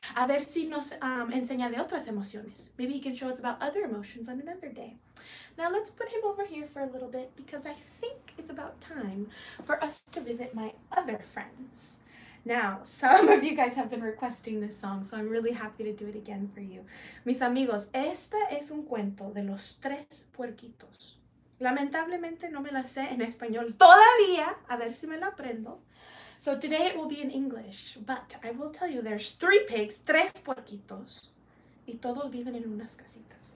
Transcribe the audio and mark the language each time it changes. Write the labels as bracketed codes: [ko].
[es] A ver si nos enseña de otras emociones. [en] Maybe he can show us about other emotions on another day. Now let's put him over here for a little bit because I think it's about time for us to visit my other friends. Now, some of you guys have been requesting this song, so I'm really happy to do it again for you. [es] Mis amigos, esta es un cuento de los tres puerquitos. Lamentablemente no me la sé en español todavía. A ver si me la aprendo. [en] So today it will be in English, but I will tell you there's three pigs, [es] tres puerquitos, y todos viven en unas casitas.